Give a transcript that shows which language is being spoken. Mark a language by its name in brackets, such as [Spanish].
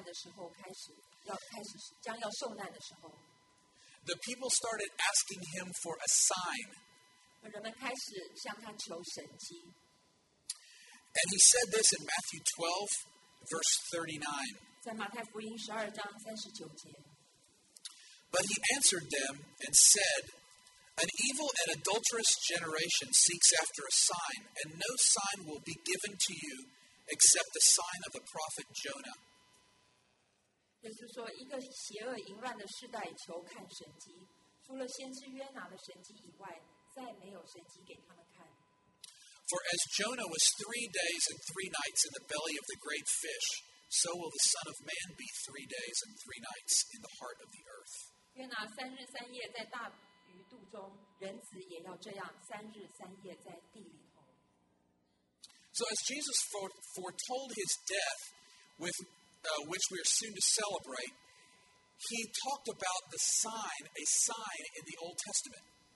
[Chinese] 当耶稣要受难的时候，开始将要受难的时候。 [English] The people started asking him for a sign. And he said this in Matthew 12, verse 39. But he answered them and said, An evil and adulterous generation seeks after a sign, and no sign will be given to you except the sign of the prophet Jonah. [Chinese] 就是说，一个邪恶淫乱的世代求看神迹，除了先知约拿的神迹以外，再没有神迹给他们看。 [English] For as Jonah was 3 days and three nights in the belly of the great fish, so will the Son of Man be 3 days and three nights in the heart of the earth. So as Jesus foretold his death, with which we are soon to celebrate, he talked about the sign, a sign in the Old Testament.